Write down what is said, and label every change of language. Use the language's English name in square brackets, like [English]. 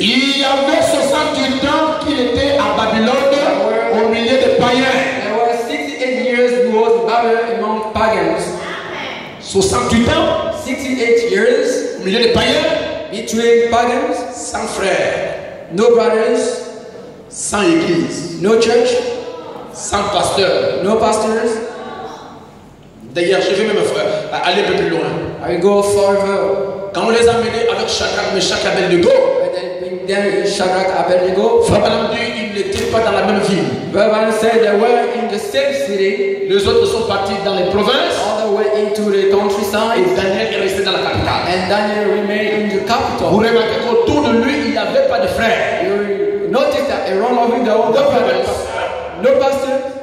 [French] Il y avait 68 ans qu'il était à Babylone au milieu des païens. [English] There were 68 years he was Babylon among pagans. [French] 68 ans. [English] 68 years. [French] Au milieu des païens. [English] Between pagans. [French] Sans frères. [English] No brothers. [French] Sans église. [English] No church. [French] Sans pasteur. [English] No pastors. [French] D'ailleurs, je vais même, frère, aller un peu plus loin. [English] I go further. [French] Quand on les a menés avec Shadrach, Meshach, Abednego. [English] Shadrach, Abednego. [French] Frère Branham dit, ils n'étaient pas dans la même ville. [English] But when said they were in the same city. [French] Les autres sont partis dans les provinces. [English] Others went into the countryside. [French] Et Daniel est resté dans la capitale. [English] And Daniel remained in the capital. [French] Vous remarquez qu'autour de lui, il n'y avait pas de frères. [English] Notice that around of him there were no brothers, no pastors.